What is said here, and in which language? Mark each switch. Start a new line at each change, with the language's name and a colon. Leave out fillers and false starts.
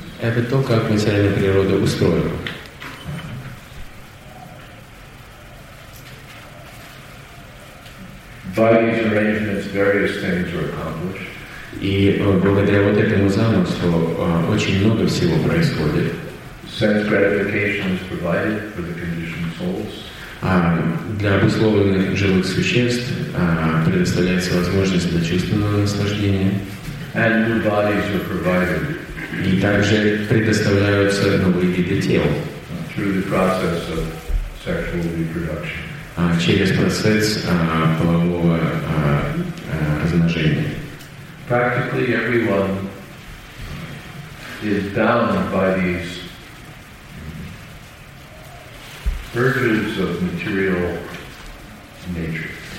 Russian: Это то, как материальная природа устроена.
English: By these arrangements, various things are accomplished.
Russian: И благодаря вот этому замыслу очень много всего происходит.
English: Sense gratification is provided for the conditioned souls.
Russian: Для обусловленных живых существ предоставляется возможность для чувственного наслаждения.
English: And new bodies are provided.
Russian: И также предоставляются новые виды тел.
English: Through the process of sexual reproduction.
Russian: Через процесс полового размножения.
English: Practically everyone is bound by these urges of material nature.